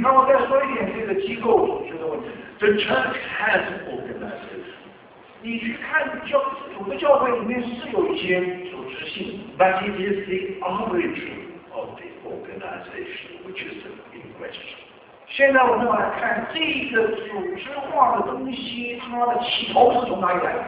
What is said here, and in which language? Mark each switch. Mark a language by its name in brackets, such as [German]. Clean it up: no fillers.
[Chinese] 那我再说一点这个机构组织的问题。 [English] The church has organization. [Chinese] 你去看教主的教会里面是有一些组织性。 [English] But it is the origin of the organization which is in question. [Chinese] 现在我们来看这个组织化的东西，它的起头是从哪里来的